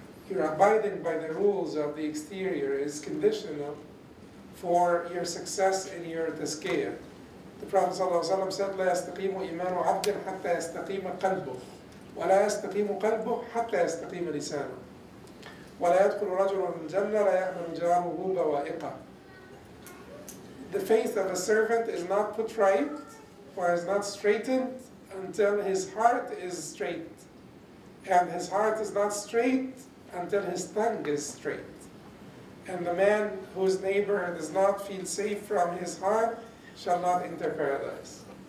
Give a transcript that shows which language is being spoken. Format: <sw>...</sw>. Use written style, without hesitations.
<en>Your abiding by the rules of the exterior is conditional for your success in your tazkiyah.</en> <ar>The Prophet ﷺ said, لا يستقيم إيمان عبد حتى يستقيم قلبه ولا يستقيم قلبه حتى يستقيم لسانه ولا يدخل رجل الجنة لا يعمل جاره بوائقه.</ar> <en>The faith of a servant is not put right or is not straightened until his heart is straight. And his heart is not straight until his tongue is straight. And the man whose neighbor does not feel safe from his heart shall not enter paradise.</en>